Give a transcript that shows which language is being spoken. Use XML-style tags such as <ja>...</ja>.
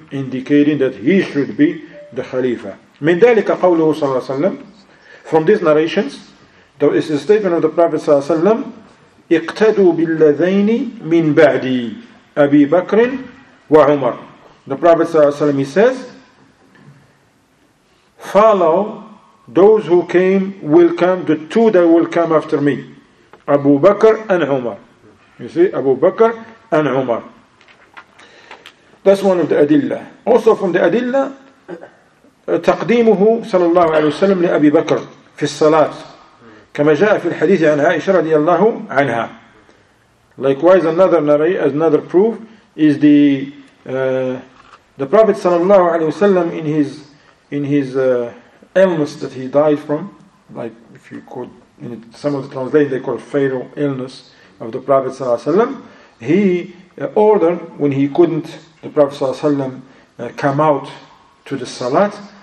<en>Indicating that he should be the Khalifa.</en> <ar>من ذلك قوله صلى الله عليه وسلم.</ar> <en>From these narrations, there is a statement of the Prophet</en> <ar>صلى الله عليه وسلم, اقتدوا بالذين من بعدي أبي بكر وعمر.</ar> <en>The Prophet</en> <ar>صلى الله عليه وسلم,</ar> <en>he says, follow those who came, will come, the two that will come after me, Abu Bakr and Umar. You see, Abu Bakr and Umar. That's one of the adillah. Also from the adillah,</en> <ar>تقديمه صلى الله عليه وسلم لأبي بكر في الصلاة كما جاء في الحديث عن عائشة رضي الله عنها.</ar> <en>Likewise, another proof is the Prophet sallallahu alaihi wasallam in his illness that he died from, like if you could, in some of the translations they call it fatal illness of the Prophet sallallahu alaihi wasallam, he ordered when he couldn't, the Prophet sallallahu alaihi wasallam come out to the salat,</en>